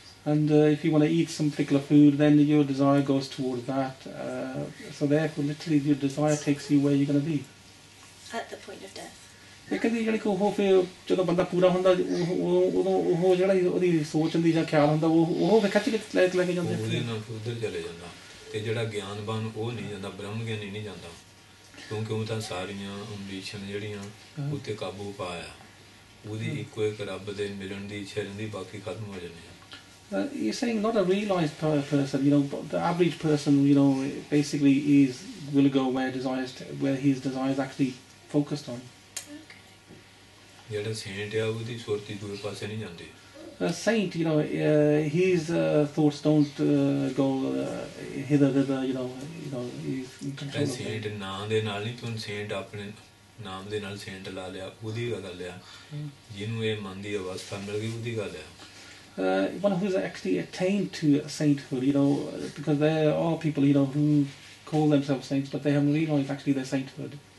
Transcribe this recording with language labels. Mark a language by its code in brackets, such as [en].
[en] And if you want to eat some particular food, then your desire goes towards that. So therefore, literally, your desire takes you where you're going to be. At the point of death. [pa] ਕਹਿੰਦੀ ਜਿਹੜੀ ਕਿ ਉਹ ਫਿਰ ਜਦੋਂ ਬੰਦਾ ਪੂਰਾ ਹੁੰਦਾ ਉਦੋਂ ਉਹ ਜਿਹੜਾ ਉਹਦੀ ਸੋਚ ਹੁੰਦੀ ਜਾਂ ਖਿਆਲ ਹੁੰਦਾ ਉਹ ਫਿਰ ਖਿੱਚ ਕੇ ਲੈ ਕੇ ਜਾਂਦੇ ਉੱਧਰ ਚਲੇ ਜਾਂਦਾ ਅਤੇ ਜਿਹੜਾ ਗਿਆਨਵਾਨ ਉਹ ਨਹੀਂ ਜਾਂਦਾ ਬ੍ਰਹਮ ਗਿਆਨੀ ਨਹੀਂ ਜਾਂਦਾ ਕਿਉਂਕਿ ਉਹ ਤਾਂ ਸਾਰੀਆਂ ਅੰਬੀਸ਼ਨ ਜਿਹੜੀਆਂ ਉੱਤੇ ਕਾਬੂ ਪਾਇਆ ਉਹਦੀ ਇੱਕੋ ਇੱਕ ਰੱਬ ਦੇ ਮਿਲਣ ਦੀ ਇੱਛਾ ਰਹਿੰਦੀ ਬਾਕੀ ਖਤਮ ਹੋ ਜਾਂਦੀ [en] ਹੈ is saying not a realized person you know the average person you know basically is will go where desires where he is desires actually focused on [pa] ਜਿਹੜਾ ਸੇਂਟ ਆ ਉਹਦੀ ਸੁਰਤੀ ਦੂਏ ਪਾਸੇ ਨਹੀਂ ਜਾਂਦੀ [en] Saint, you know, his thoughts don't go hither, you know. One who's actually attained to sainthood, you know, because there are people, you know, who call themselves saints, but they haven't realized actually their sainthood.